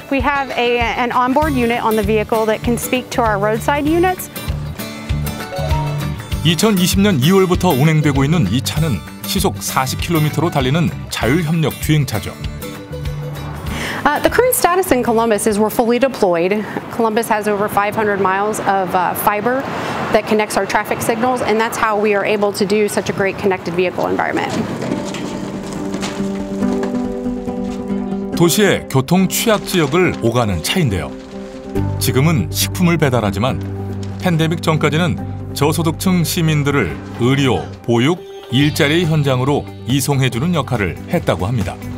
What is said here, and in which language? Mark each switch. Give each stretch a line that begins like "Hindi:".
English: We have an onboard unit on the vehicle that can speak to our roadside units.
Korean: 2020년 2월부터 운행되고 있는 이 차는 시속 40km로 달리는 자율협력 주행차죠.
English: The current status in Columbus is we're fully deployed. Columbus has over 500 miles of fiber. that connects our traffic signals, and that's how we are able to do such a great connected vehicle environment.
Korean: 도시의 교통 취약 지역을 오가는 차인데요. 지금은 식품을 배달하지만 팬데믹 전까지는 저소득층 시민들을 의료, 보육, 일자리 현장으로 이송해주는 역할을 했다고 합니다.